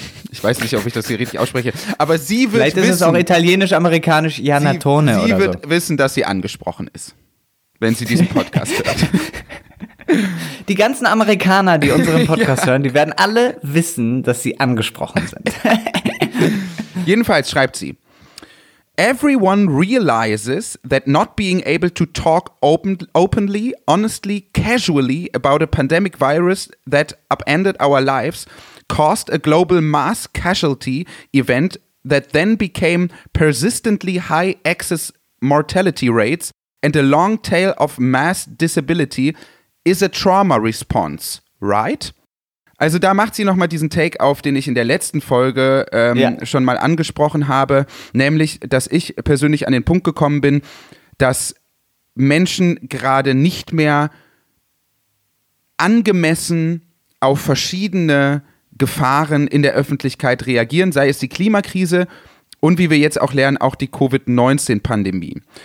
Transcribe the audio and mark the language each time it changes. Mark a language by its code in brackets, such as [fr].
[de] Ich weiß nicht, ob ich das hier richtig ausspreche, aber sie wird wissen. Vielleicht ist wissen, es auch italienisch-amerikanisch Iannatone oder so. Sie wird wissen, dass sie angesprochen ist, wenn sie diesen Podcast hört. Die ganzen Amerikaner, die unseren Podcast hören, die werden alle wissen, dass sie angesprochen sind. Jedenfalls schreibt sie: [en] Everyone realizes that not being able to talk openly, honestly, casually about a pandemic virus that upended our lives caused a global mass casualty event that then became persistently high excess mortality rates and a long tail of mass disability is a trauma response, right? [de] Also da macht sie nochmal diesen Take auf, den ich in der letzten Folge schon mal angesprochen habe, nämlich, dass ich persönlich an den Punkt gekommen bin, dass Menschen gerade nicht mehr angemessen auf verschiedene Gefahren in der Öffentlichkeit reagieren, sei es die Klimakrise und wie wir jetzt auch lernen, auch die Covid-19-Pandemie.